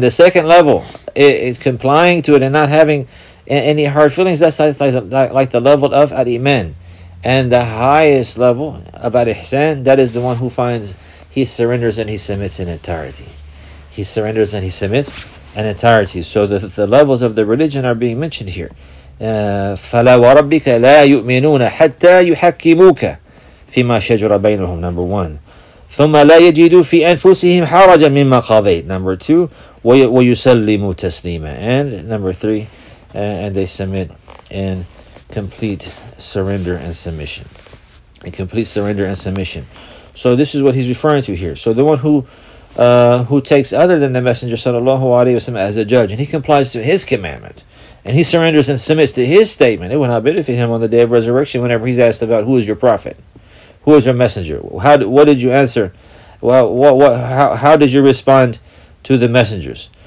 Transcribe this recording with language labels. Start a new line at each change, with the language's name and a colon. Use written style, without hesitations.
English: The second level, it complying to it and not having any hard feelings, that's like the level of al-Iman. And the highest level of al-Ihsan, that is the one who finds, he surrenders and he submits in entirety. He surrenders and he submits in entirety. So the levels of the religion are being mentioned here.
Arabic: فَلَا وَرَبِّكَ لَا يُؤْمِنُونَ حَتَّى يُحَكِّمُوكَ فِيمَا شَجُرَ بَيْنُهُمْ
English: Number one.
Arabic: ثُمَّ لَا يَجِدُوا فِي أَنفُسِهِمْ حَرَجًا مِمَّا قَضَيْتَ
English: Number two.
Arabic: وَيُسَلِّمُوا تَسْلِيمًا
English: And number three. And they submit in complete surrender and submission. In complete surrender and submission. So this is what he's referring to here. So the one who takes other than the Messenger sallallahu alayhi wa sallam as a judge, and he complies to his commandment, and he surrenders and submits to his statement, it will not benefit him on the day of resurrection whenever he's asked about who is your prophet, who is your messenger, what did you answer, how did you respond to the messengers.